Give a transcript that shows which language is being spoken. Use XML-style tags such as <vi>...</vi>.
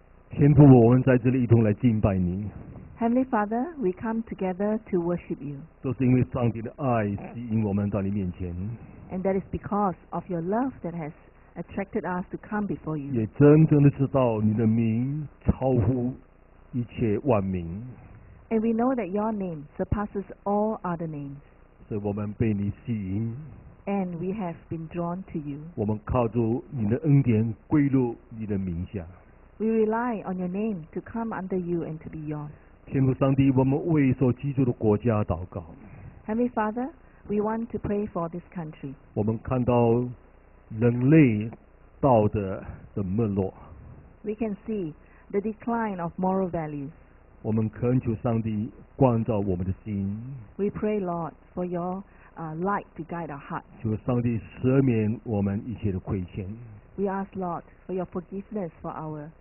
<zh>天父，我们在这里一同来敬拜你。</zh> <en>Heavenly Father, we come together to worship you.</en> <zh>这是因为上帝的爱吸引我们到你面前。</zh> <en>And that is because of your love that has attracted us to come before you.</en> <zh>也真正的知道你的名超乎一切万名。</zh> <en>And we know that your name surpasses all other names.</en> <zh>所以我们被你吸引。</zh> <en>And we have been drawn to you.</en> <zh>我们靠着你的恩典归入你的名下。</zh> <en>We rely on your name to come under you and to be yours.</en> <zh>天父上帝，我们为所居住的国家祷告。</zh> <en>Heavenly Father, we want to pray for this country.</en> <zh>我们看到人类道德的没落。</zh> <en>We can see the decline of moral values.</en> <zh>我们恳求上帝光照我们的心。</zh> <en>We pray, Lord, for your light to guide our hearts.</en> <zh>求上帝赦免我们一切的亏欠。</zh> <en>We ask, Lord, for your forgiveness for our.</en>